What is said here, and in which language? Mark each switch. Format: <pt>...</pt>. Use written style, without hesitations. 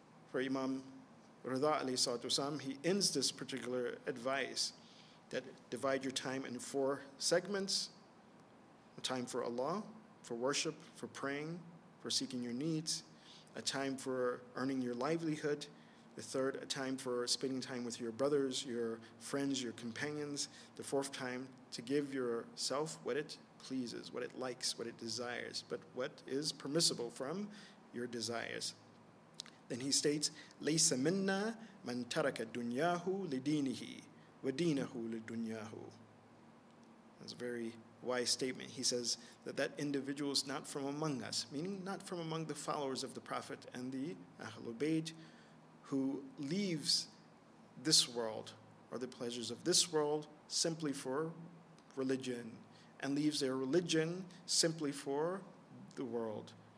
<en>For Imam Ridha alayhi salatu wasalam, he ends this particular advice that divide your time in four segments: a time for Allah, for worship, for praying, for seeking your needs, a time for earning your livelihood, the third, a time for spending time with your brothers, your friends, your companions, the fourth time to give yourself what it pleases, what it likes, what it desires, but what is permissible from your desires. Then he states,</en> <ar>لَيْسَ مِنَّا مَنْ تَرَكَ دُنْيَاهُ لِدِينِهِ وَدِينَهُ لِدُنْيَاهُ.</ar> <en>That's a very wise statement. He says that that individual is not from among us, meaning not from among the followers of the Prophet and the Ahlul Bayt, who leaves this world or the pleasures of this world simply for religion, and leaves their religion simply for the world.</en>